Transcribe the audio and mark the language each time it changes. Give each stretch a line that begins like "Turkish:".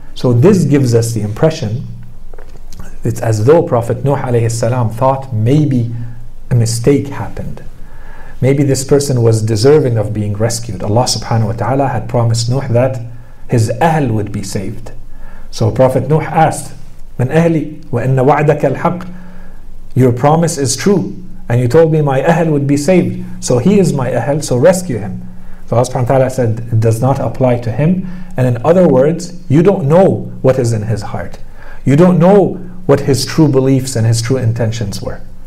English: So this gives us the impression, it's as though Prophet Nuh alayhi salam thought maybe a mistake happened. Maybe this person was deserving of being rescued. Allah subhanahu wa ta'ala had promised Nuh that his ahl would be saved. So Prophet Nuh asked,
Arabic: من أهلي وإن وعدك الحق.
English: Your promise is true. And you told me my ahl would be saved. So he is my ahl, so rescue him. So Allah subhanahu wa ta'ala said, it does not apply to him. And in other words, you don't know what is in his heart. You don't know what his true beliefs and his true intentions were.